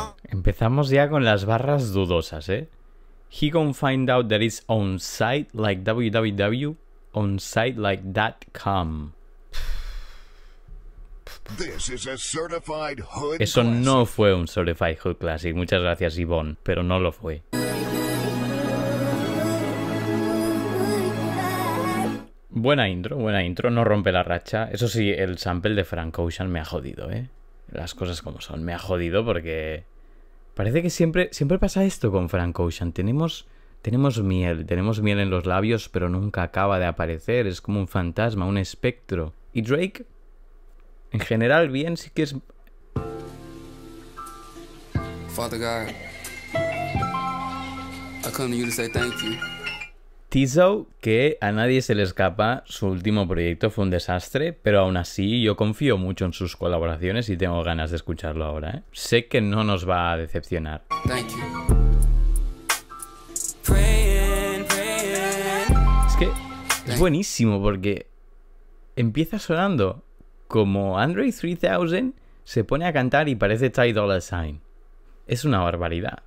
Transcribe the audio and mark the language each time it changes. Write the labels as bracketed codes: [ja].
[es] Empezamos ya con las barras dudosas, ¿eh? [en] He gon' find out that it's on site like www.onsite.com. This is a certified hood. [es] Eso [en] classic. [es] No fue un [en] certified hood classic. [es] Muchas gracias, Yvonne, pero no lo fue. Buena intro. No rompe la racha. Eso sí, el sample de Frank Ocean me ha jodido, ¿eh? Las cosas como son. Me ha jodido porque... Parece que siempre pasa esto con Frank Ocean. Tenemos miel en los labios, pero nunca acaba de aparecer. Es como un fantasma, un espectro. Y Drake, en general, bien, sí que es... [en] Father God, I come to you to say thank you. [es] Tizzo, que a nadie se le escapa, su último proyecto fue un desastre, pero aún así yo confío mucho en sus colaboraciones y tengo ganas de escucharlo ahora, ¿eh? Sé que no nos va a decepcionar. [en] Thank you. Praying. [es] Es que es buenísimo porque empieza sonando como Andre 3000 se pone a cantar y parece Ty Dolla Sign. Es una barbaridad.